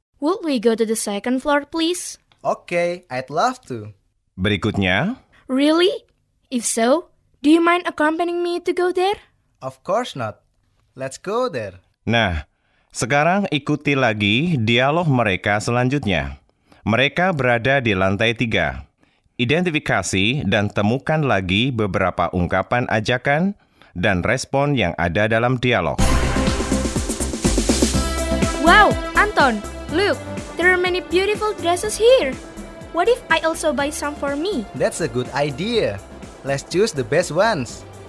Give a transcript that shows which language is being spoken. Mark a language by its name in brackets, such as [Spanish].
[English] Would we go to the second floor, please? Okay, I'd love to. [Indonesian] Berikutnya. [English] Really? If so, do you mind accompanying me to go there? Of course not. Let's go there. [Indonesian] Nah, sekarang ikuti lagi dialog mereka selanjutnya. Mereka berada di lantai 3. Identifikasi dan temukan lagi beberapa ungkapan ajakan dan respon yang ada dalam dialog. [English] Wow, Anton, look, there are many beautiful dresses here. What if I also buy some for me? That's a good idea. Let's choose the best ones.